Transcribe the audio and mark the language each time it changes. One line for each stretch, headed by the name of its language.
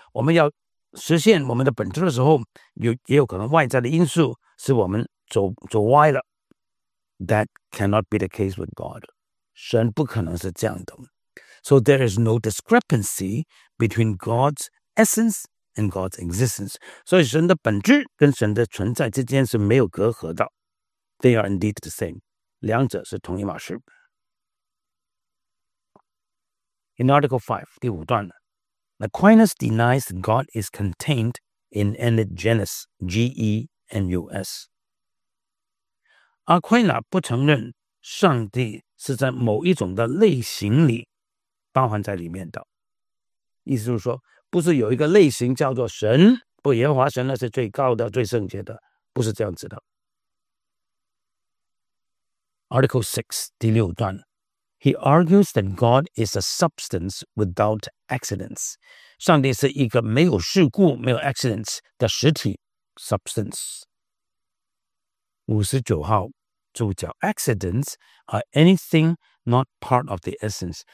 Chinese: 我们要实现我们的本质的时候，也有可能外在的因素使我们走歪了。
English: That cannot be the case with God.
Chinese: 神不可能是这样的。
English: So there is no discrepancy between God's essence and God's existence.
Chinese: 所以神的本质跟神的存在之间是没有隔阂的。
English: They are indeed the same.
Chinese: 两者是同一码事。
English: In Article 5,
Chinese: 第五段,
English: Aquinas denies that God is contained in any genus, G-E-N-U-S.
Chinese: Aquinas 不承认上帝是在某一种的类型里包含在里面的。意思就是说，不是有一个类型叫做神，不，耶和华神那是最高的、最圣洁的，不是这样子的。
English: Article 6,
Chinese: 第六段。
English: He argues that God is a substance without accidents.
Chinese: 上帝是一个没有事故、没有 accidents 的实体 substance. 59号注脚
English: accidents are anything not part of the essence.